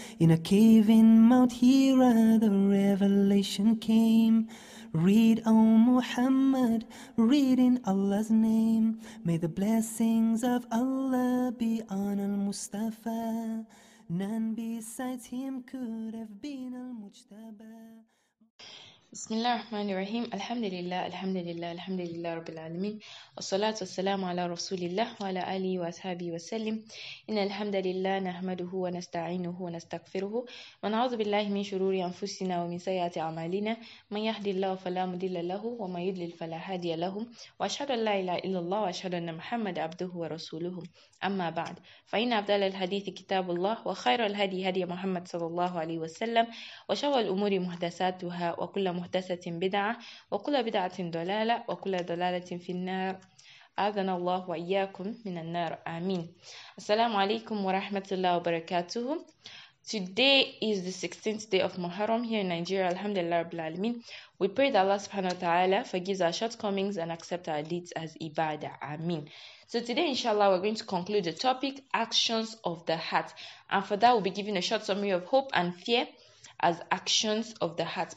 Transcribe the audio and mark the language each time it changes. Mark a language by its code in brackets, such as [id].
[en] In a cave in Mount Hira the revelation came. Read, O Muhammad, read in Allah's name. May the blessings of Allah be on al-Mustafa. None besides him could have been al-Mujtaba. [ar] بسم الله الرحمن الرحيم الحمد لله الحمد لله الحمد لله رب العالمين والصلاة والسلام على رسول الله وعلى آله وأصحابه وسلم إن الحمد لله نحمده ونستعينه ونستغفره ونعوذ بالله من شرور أنفسنا ومن سيئات أعمالنا من يهدي الله فلا مضل له ومن يضلل فلا هادي له وأشهد أن لا إله إلا الله وأشهد أن محمد عبده ورسوله أما بعد فإن أفضل الحديث كتاب الله وخير الهدي هدي محمد صلى الله عليه وسلم وشر الأمور محدثاتها وكل مهدسة بدعة وكل بدعة دلالة وكل دلالة في النار أعذنا الله وإياكم من النار آمين السلام عليكم ورحمة الله وبركاته. [en] Today is the 16th day of Muharram here in Nigeria. Alhamdulillah Rabbil Alameen. We pray that Allah subhanahu wa ta'ala forgives our shortcomings and accept our deeds as ibadah. Ameen. So today, inshallah, we're going to conclude the topic, actions of the heart. And for that, we'll be giving a short summary of hope and fear as actions of the heart.